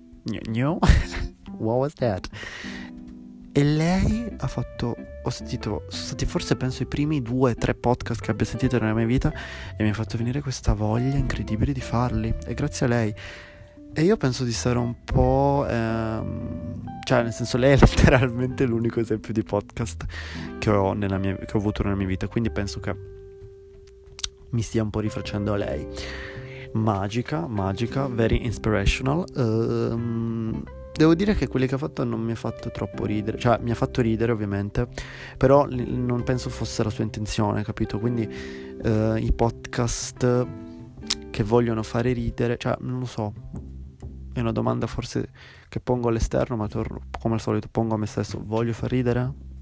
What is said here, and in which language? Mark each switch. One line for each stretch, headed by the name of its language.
English: What was that?
Italian: E lei ha fatto, sono stati forse penso i primi 2-3 podcast che abbia sentito nella mia vita, e mi ha fatto venire questa voglia incredibile di farli, e grazie a lei. E io penso di stare un po', cioè, nel senso, lei è letteralmente l'unico esempio di podcast che ho avuto nella mia vita, quindi penso che mi stia un po' rifacendo a lei.
English: Magica, very inspirational.
Italian: Devo dire che quelli che ha fatto non mi ha fatto troppo ridere, cioè mi ha fatto ridere ovviamente, però non penso fosse la sua intenzione, capito? Quindi i podcast che vogliono fare ridere, cioè, non lo so, è una domanda forse che pongo all'esterno, ma torno, come al solito, pongo a me stesso: voglio far ridere?